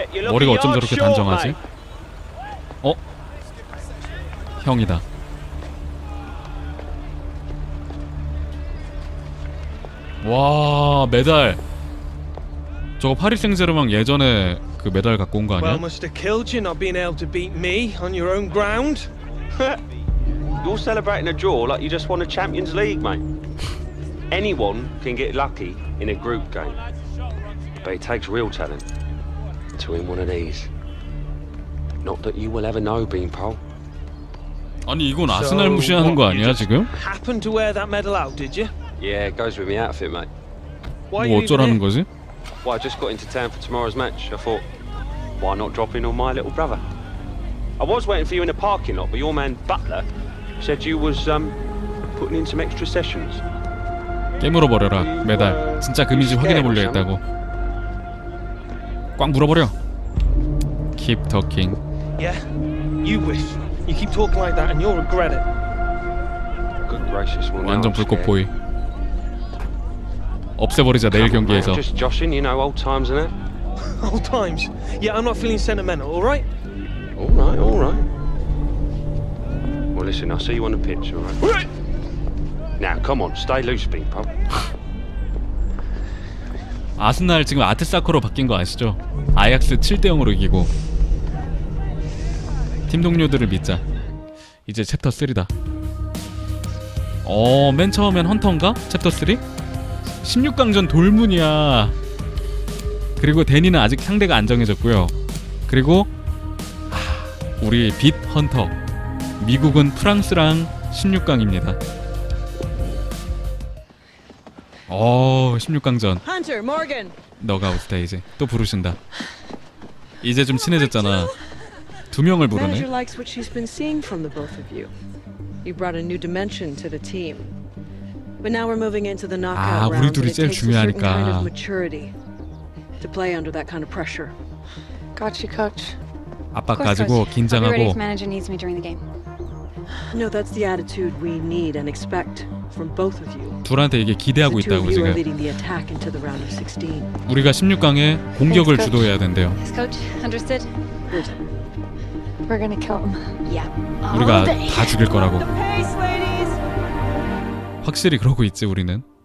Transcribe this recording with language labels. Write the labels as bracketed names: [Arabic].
[Korean] 머리가 어쩜 저렇게 단정하지? 어? 형이다. 와, 메달. 저거 파리생제르맹 예전에 그 메달 갖고 온 거 아니야? [English] Well, must have killed you not being able to beat me on your own ground. You're celebrating a draw like you just won a Champions League, mate. Anyone can get lucky in a group game. But it takes real talent to win one of these. Not that you will ever know, Beanpole. [Korean] 아니 이건 아스날 무시하는 거 아니야 지금? [English] Happened to wear that medal out, did you? Yeah, it goes with my outfit, mate. [Korean] 뭐 어쩌라는 거지? [English] Well, I just got into town for tomorrow's match. I thought, why not drop in on my little brother? I was waiting for you in the parking lot, but your man Butler said you was putting in some extra sessions. [Korean] 깨물어 버려라 메달. 진짜 금인지 확인해 보려 했다고. 꽝 물어버려. Keep talking. [English] Yeah, you wish. You keep talking like that, and you'll regret it. Good gracious, well, [Korean] 완전 불꽃 보이. 없애버리자 내일 경기에서. [English] Just joshing, you know, old times, innit? Old times. Yeah, I'm not feeling sentimental. All right. All right, all right. Well, listen, I'll see you on the pitch, all right? Now, come on, stay loose, people. [Korean] 아스날 지금 아트사커로 바뀐 거 아시죠? 아약스 7대 0으로 이기고. 팀 동료들을 믿자. 이제 챕터 3다. 맨 처음엔 헌터인가? 챕터 3? 16강전 돌문이야. 그리고 데니는 아직 상대가 안 정해졌고요. 그리고 우리 빛 헌터 미국은 프랑스랑 16강입니다. 16강전. [English] Hunter, Morgan. [Korean] 너가 오스테이지. 또 부르신다. 이제 좀 친해졌잖아. 두 명을 부르네. [English] Manager likes what she's been seeing from the both of you. You brought a new dimension to the team. But now we're moving into the knockout round. [Korean] 아, 우리 둘이 제일 중요하니까. [English] To play under that kind of pressure. Got you, coach. [Korean] 아빠 가지고 긴장하고. [English] Manager needs me during the game. No, that's the attitude we need and expect from both of you. [Korean] 둘한테 이게 기대하고 있다고 지금. 우리가 16강에 공격을 [English] yes, [Korean] 주도해야 된대요. [English] Yes, coach. Understood. We're gonna kill them. Yeah. [Korean] 우리가 다 죽일 거라고. 확실히 그러고 있지 우리는.